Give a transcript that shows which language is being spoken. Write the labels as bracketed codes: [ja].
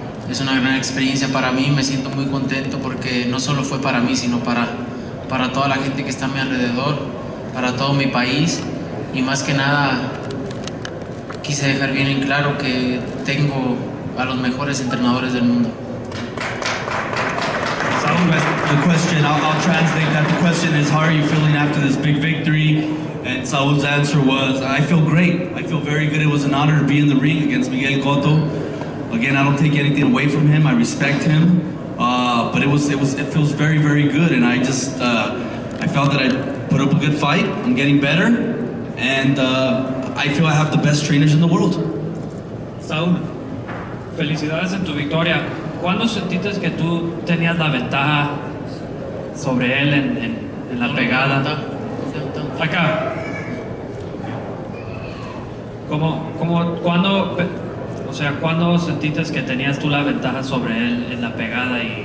[es] Es una gran experiencia para mí. Me siento muy contento porque no solo fue para mí, sino para toda la gente que está a mi alrededor, para todo mi país. Y más que nada, quise dejar bien en claro que tengo a los mejores entrenadores del mundo. [en] So the question, I'll translate that. The question is, how are you feeling after this big victory? And Saul's answer was, I feel great. I feel very good. It was an honor to be in the ring against Miguel Cotto. Again, I don't take anything away from him. I respect him. But it feels very, very good. And I just, I felt that I put up a good fight. I'm getting better. And I feel I have the best trainers in the world. [es] Saul, felicidades en tu victoria. ¿Cuándo sentiste que tú tenías la ventaja sobre él en la pegada? Acá. ¿Cuándo sentiste que tenías tú la ventaja sobre él en la pegada?